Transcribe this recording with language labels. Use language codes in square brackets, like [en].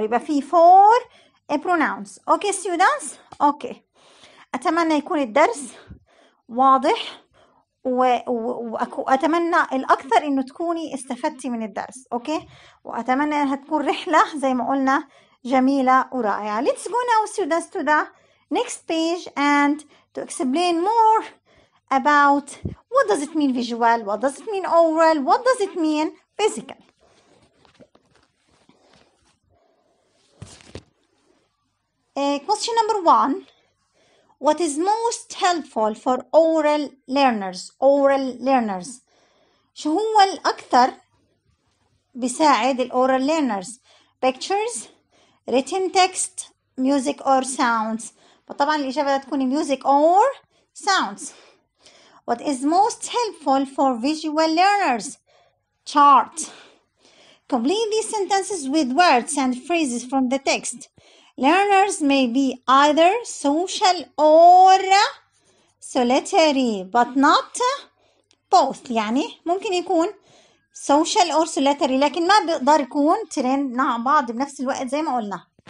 [ar] يبقى في [en] 4 pronouns. Okay, students? Okay. [ar] أتمنى يكون الدرس واضح. وأتمنى الأكثر أنه تكوني استفدتي من الدرس. [en] Okay? [ar] وأتمنى أنها تكون رحلة زي ما قلنا جميلة ورائعة. [en] Let's go now, students, to the next page and to explain more about what does it mean visual, what does it mean oral, what does it mean physical. Question number 1. What is most helpful for oral learners? Oral learners. [ar] شو هو الأكثر بيساعد الـ oral learners? [en] Pictures, written text, music or sounds. [ar] طبعاً الإجابة تكون [en] music or sounds. What is most helpful for visual learners? Chart. Complete these sentences with words and phrases from the text. Learners may be either social or solitary, but not both. [ar] يعني ممكن يكون [en] social or solitary [ar] لكن ما بيقدر يكون ترين مع بعض بنفس الوقت زي ما قلنا.